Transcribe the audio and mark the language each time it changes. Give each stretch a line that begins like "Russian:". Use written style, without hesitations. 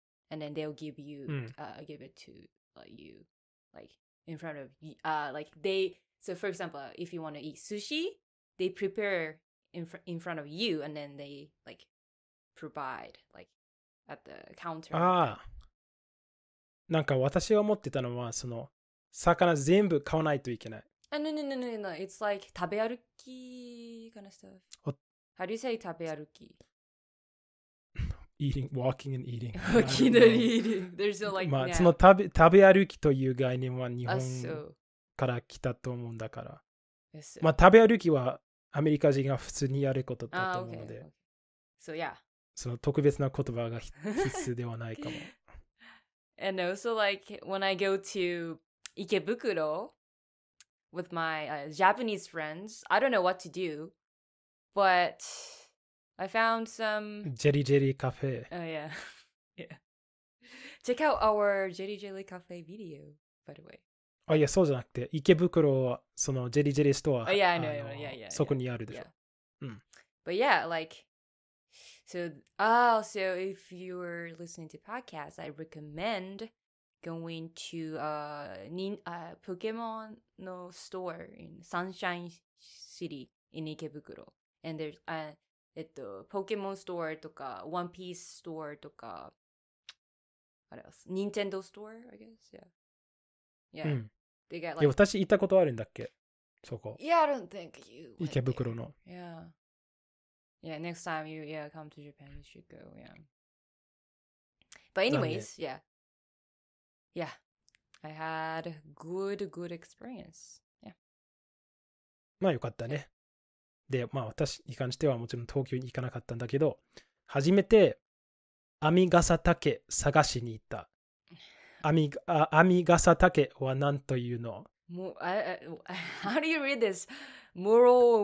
English: And then they'll give you,、give it to you, like, in front of, like, they... So, for example, if you want to eat sushi, they prepare in front of you, and then they, like, provide, like, at the counter.
Japanese: ああ。なんか私が思ってたのは、その、魚全部買わないといけない。
English: あ、no. It's like,
Japanese: 食べ歩き
English: kind of stuff. How do you say 食べ歩き? Eating, walking and eating. Walking and eating. There's no, like,
Japanese: まあ、その食べ歩きという概念は日本語。から来たと思うんだから、
English: yes.
Japanese: まあ食べ歩きはアメリカ人が普通にやることだと思うので、
English: so, yeah.
Japanese: その特別な言葉が必須ではないかも。
English: And also like when I go to Ikebukuro with my Japanese friends, I don't know what to do, but I found some Jelly Jelly Cafe. Oh yeah, yeah. Check out our Jelly Jelly Cafe video, by the way.
Japanese: あ、いや、そうじゃなくて、池袋はそのジェリジェリストア、そこにあるでしょ。
English: Yeah.
Japanese: うん。
English: But yeah, like, so, ah,、oh, so if you're listening to podcasts, I recommend going to Pokemon no store in Sunshine City in 池袋. And there's a Pokemon store とか One Piece store とか what else? Nintendo store, I guess. Yeah. Yeah.、
Japanese: うん
English: They get, like,
Japanese: 私行ったことあるんだっけそこ
English: Yeah, I don't think you
Japanese: 池袋の
English: Yeah, next time you yeah, come to Japan, you should go, yeah. But anyways, yeah. I had a good experience. Yeah.
Japanese: まあよかったね。で、まあ私に関してはもちろん東京に行かなかったんだけど、初めてあみがさたけ探しに行った。あみがさたけは何というの?
English: How do you read this? Morel